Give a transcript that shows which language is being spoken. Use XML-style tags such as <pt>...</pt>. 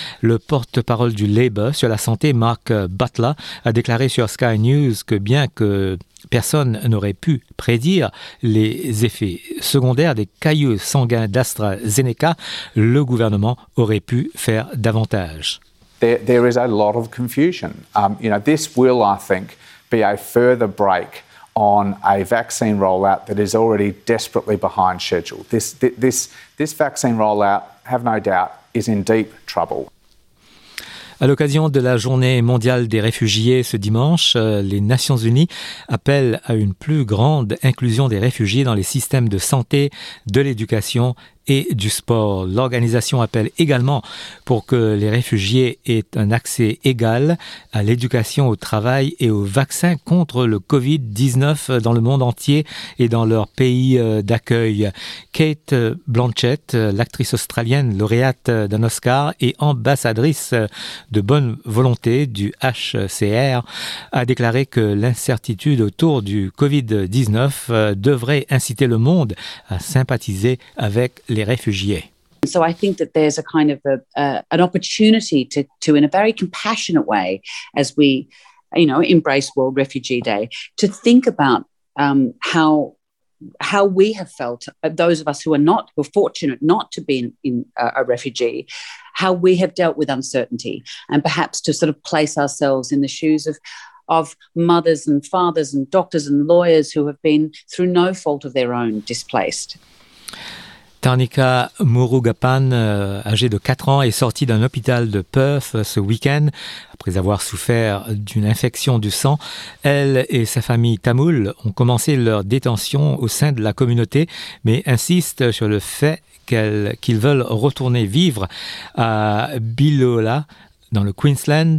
<fr>Le porte-parole du Labour sur la santé, Mark Butler, a déclaré sur Sky News que bien que personne n'aurait pu prédire les effets secondaires des caillots sanguins d'AstraZeneca, le gouvernement aurait pu faire davantage.</fr> <en>There is a lot of confusion. This will, I think, be a further break on a vaccine rollout that is already desperately behind schedule. This vaccine rollout, have no doubt, is in deep trouble.</en> <fr>À l'occasion de la Journée mondiale des réfugiés ce dimanche, les Nations unies appellent à une plus grande inclusion des réfugiés dans les systèmes de santé, de l'éducation et du sport. L'organisation appelle également pour que les réfugiés aient un accès égal à l'éducation, au travail et aux vaccins contre le Covid-19 dans le monde entier et dans leur pays d'accueil. Kate Blanchett, l'actrice australienne lauréate d'un Oscar et ambassadrice de bonne volonté du HCR, a déclaré que l'incertitude autour du Covid-19 devrait inciter le monde à sympathiser avec les réfugiés.</fr> <en>So I think that there's a kind of an opportunity to in a very compassionate way, as we, you know, embrace World Refugee Day, to think about how we have felt, those of us who are not, who are fortunate not to be a refugee, how we have dealt with uncertainty, and perhaps to sort of place ourselves in the shoes of mothers and fathers and doctors and lawyers who have been, through no fault of their own, displaced.</en> <fr>Tarnica Murugappan, âgée de 4 ans, est sortie d'un hôpital de Perth ce week-end après avoir souffert d'une infection du sang. Elle et sa famille tamoule ont commencé leur détention au sein de la communauté, mais insistent sur le fait qu'ils veulent retourner vivre à Bilola, dans le Queensland.</fr>